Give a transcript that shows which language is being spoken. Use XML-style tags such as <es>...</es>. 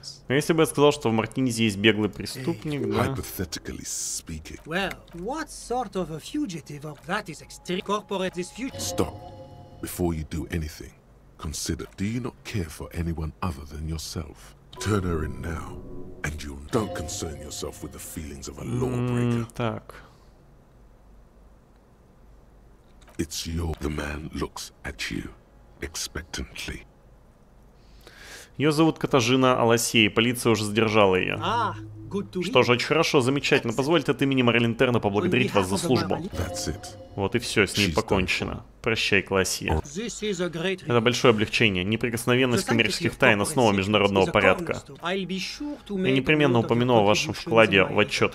<ru>А если бы я сказал, что в Мартинезе есть беглый преступник, да?</ru> <en>Hypothetically speaking. Well, what sort of a fugitive of that is extreme corporate this fugitive? Stop. Before you do anything, consider, do you not care for anyone other than yourself? Turn her in now, and you don't concern yourself with the feelings of a lawbreaker.</en> <ru>Так.</ru> <en>It's your... The man looks at you expectantly.</en> <ru>Ее зовут Катажина Аласей, полиция уже задержала ее. Что же, очень хорошо, замечательно. Позвольте от имени Марель Интерна поблагодарить вас за службу. Вот и все, с ней покончено. Прощай, Классия. Это большое облегчение. Неприкосновенность коммерческих тайн — основа международного порядка. Я непременно упомяну о вашем вкладе в отчет.</ru>